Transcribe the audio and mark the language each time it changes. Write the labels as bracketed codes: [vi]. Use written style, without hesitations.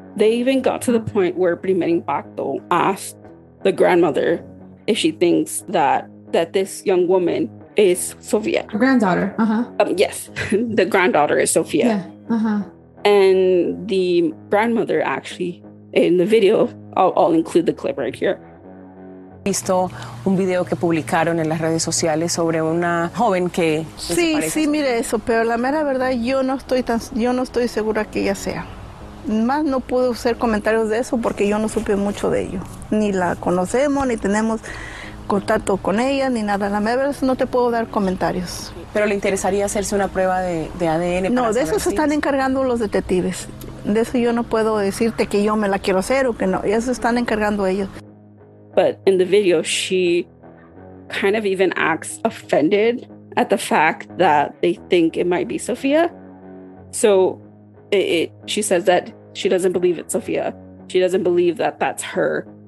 [en] They even got to the point where Primer Impacto asked the grandmother, if she thinks that this young woman is Sofia. Her granddaughter, Yes, the granddaughter is Sofia. Yeah, uh-huh. And the grandmother, actually, in the video, I'll include the clip right here. [es] Visto un video que publicaron en las redes sociales sobre una joven que... Sí, mire eso, pero la mera verdad, yo no estoy segura que ella sea. Más no pude hacer comentarios de eso porque yo no supe mucho de ello. Ni la conocemos, ni tenemos contacto con ella, ni nada. La mera verdad, no te puedo dar comentarios. ¿Pero le interesaría hacerse una prueba de ADN? No, de eso se están encargando los detectives. De eso yo no puedo decirte que yo me la quiero hacer o que no. Eso están encargando ellos. [en] But in the video, she kind of even acts offended at the fact that they think it might be Sofia. So... she says that she doesn't believe it's Sofia. She doesn't believe that that's her.